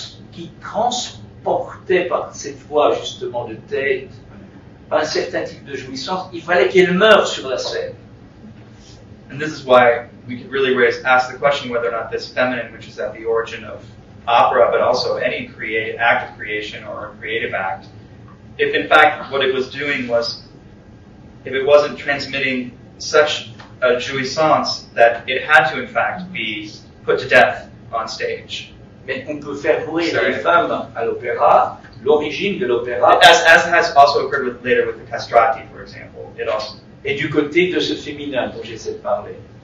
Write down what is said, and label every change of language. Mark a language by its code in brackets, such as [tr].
[fr] Qui transportait par cette voix justement de tête un certain type de jouissance, il fallait qu'elle meure sur la scène. [en] And this is why we could really raise, ask the question whether or not this feminine, which is at the origin of opera, but also any act of creation or a creative act, if in fact what it was doing was, if it wasn't transmitting such a jouissance that it had to in fact be put to death on stage. [fr] Mais on peut faire mourir les femmes à l'opéra, l'origine de l'opéra. [en] As has also occurred later with the castrati, for example. It also, [fr] et du côté de ce féminin dont j'essaie de parler.